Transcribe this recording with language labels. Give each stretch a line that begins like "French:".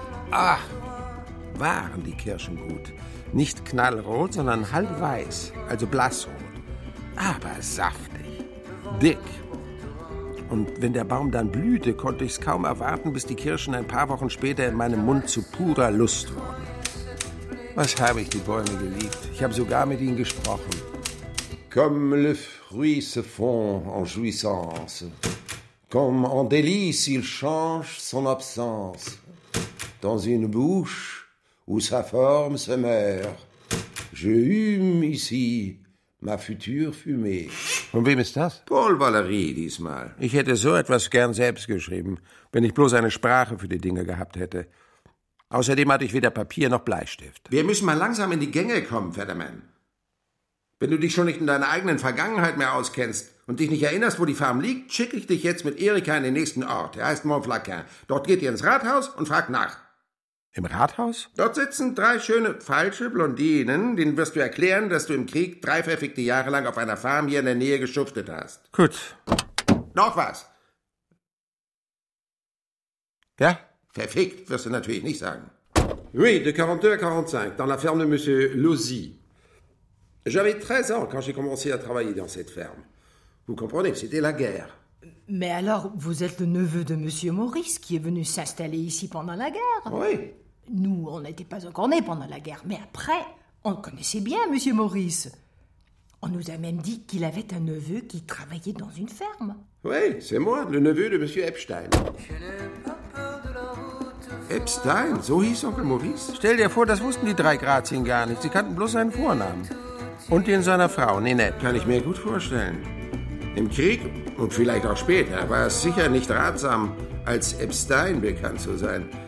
German: Ach, waren die Kirschen gut. Nicht knallrot, sondern halbweiß, also blassrot. Aber saftig, dick. Und wenn der Baum dann blühte, konnte ich es kaum erwarten, bis die Kirschen ein paar Wochen später in meinem Mund zu purer Lust wurden. Was habe ich die Bäume geliebt. Ich habe sogar mit ihnen gesprochen.
French: Comme le fruit se fond en jouissance. Comme en délice il change son absence. Dans une bouche où sa forme se meurt. Je hume ici ma future fumée.
German: Von wem ist das? Paul Valéry diesmal. Ich hätte so etwas gern selbst geschrieben, wenn ich bloß eine Sprache für die Dinge gehabt hätte. Außerdem hatte ich weder Papier noch Bleistift. Wir müssen mal langsam in die Gänge kommen, Fetterman. Wenn du dich schon nicht in deiner eigenen Vergangenheit mehr auskennst und dich nicht erinnerst, wo die Farm liegt, schicke ich dich jetzt mit Erika in den nächsten Ort. Er heißt Montflaquin. Dort geht ihr ins Rathaus und fragt nach. Im Rathaus? Dort sitzen drei schöne, falsche Blondinen. Denen wirst du erklären, dass du im Krieg drei verfickte Jahre lang auf einer Farm hier in der Nähe geschuftet hast. Gut. Noch was? Ja? Verfickt wirst du natürlich nicht sagen.
French: Oui, de 42 à 45, dans la ferme de Monsieur Lozy. J'avais 13 ans quand j'ai commencé à travailler dans cette ferme. Vous comprenez, c'était la guerre. Mais alors, vous êtes le neveu de Monsieur Maurice qui est venu s'installer ici pendant la guerre. Oui. Nous, on n'était pas encore nés pendant la guerre, mais après, on connaissait bien Monsieur Maurice. On nous a même dit qu'il avait un neveu qui travaillait dans une ferme. Oui, c'est moi, le neveu de Monsieur Epstein.
German: Epstein, so hieß Onkel Maurice? Stell dir vor, das wussten die drei Grazien gar nicht. Sie kannten bloß seinen Vornamen. Und den seiner Frau, Ninette. Kann ich mir gut vorstellen. Im Krieg, und vielleicht auch später, war es sicher nicht ratsam, als Epstein bekannt zu sein.